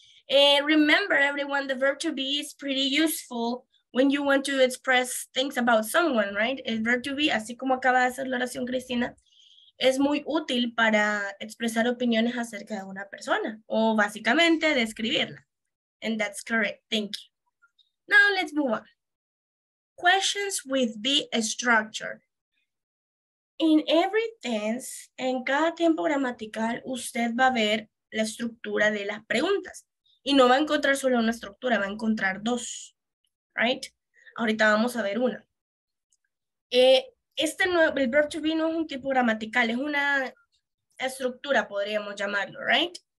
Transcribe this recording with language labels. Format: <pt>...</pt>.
<en>And remember, everyone, the verb to be is pretty useful when you want to express things about someone, right?</en> <es>El verb to be, así como acaba de hacer la oración Cristina, es muy útil para expresar opiniones acerca de una persona o básicamente describirla.</es> <en>And that's correct. Thank you. Now let's move on. Questions with be structured. In every tense,</en> <es>en cada tiempo gramatical, usted va a ver la estructura de las preguntas. Y no va a encontrar solo una estructura, va a encontrar dos. Right? Ahorita vamos a ver una. Este nuevo, el verb to be no es un tiempo gramatical, es una estructura, podríamos llamarlo, right?</es>